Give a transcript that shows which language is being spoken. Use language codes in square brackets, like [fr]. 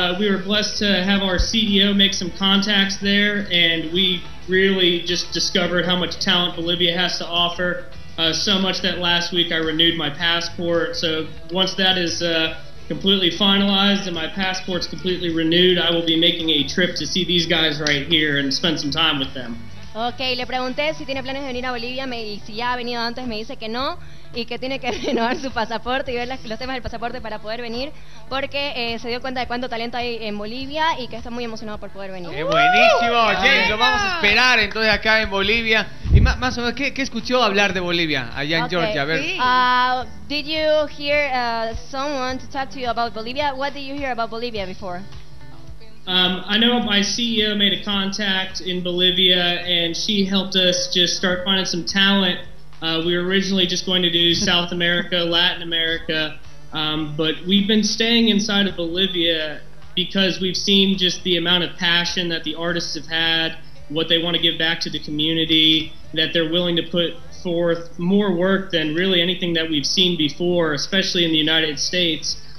[en] We were blessed to have our CEO make some contacts there, and we really just discovered how much talent Bolivia has to offer. So much that last week I renewed my passport. So once that is completely finalized and my passport's completely renewed, I will be making a trip to see these guys right here and spend some time with them. [es] Okay, le pregunté si tiene planes de venir a Bolivia, y si ya ha venido antes, me dice que no, y que tiene que renovar su pasaporte y ver los temas del pasaporte para poder venir, porque se dio cuenta de cuánto talento hay en Bolivia y que está muy emocionado por poder venir. ¡Qué buenísimo, James! Lo vamos a esperar entonces acá en Bolivia. Y más o menos, ¿qué escuchó hablar de Bolivia allá en Georgia? A ver. [en] Did you hear someone to talk to you about Bolivia? What did you hear about Bolivia before? I know my CEO made a contact in Bolivia, and she helped us just start finding some talent. We were originally just going to do South America, Latin America, but we've been staying inside of Bolivia because we've seen just the amount of passion that the artists have had, what they want to give back to the community, that they're willing to put forth more work than really anything that we've seen before, especially in the United States,